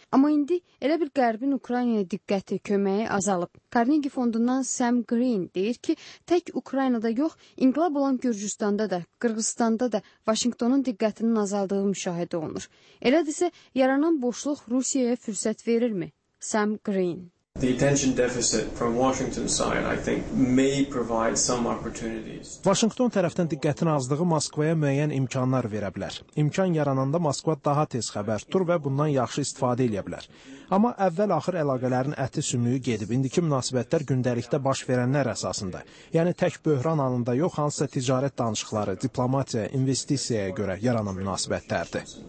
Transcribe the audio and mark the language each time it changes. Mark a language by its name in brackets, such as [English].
[Azerbaijani] Amma indi elə bir Qərbin Ukraynaya diqqəti, köməyi azalıb. Carnegie fondundan Sam Green deyir ki, tək Ukraynada yox, İnqilab olan Gürcüstanda da, Qırğızstanda da Vaşinqtonun diqqətinin azaldığı müşahidə olunur. Elədirsə, yaranan boşluq Rusiyaya fürsət verirmi? Sam Green. [English] The attention deficit from Washington's side, I think, may provide some opportunities. [Azerbaijani] Washington tərəfdən diqqətin azlığı Moskvaya müəyyən imkanlar verə bilər. İmkan yarananda Moskva daha tez xəbər tutur və bundan yaxşı istifadə edə bilər. Amma əvvəl-axır əlaqələrin əti sümüyü gedib, indiki münasibətlər gündəlikdə baş verənlər əsasında. Yəni tək böhran anında yox, hansısa ticarət danışıqları, diplomatiya, investisiyaya görə yaranan münasibətlərdir.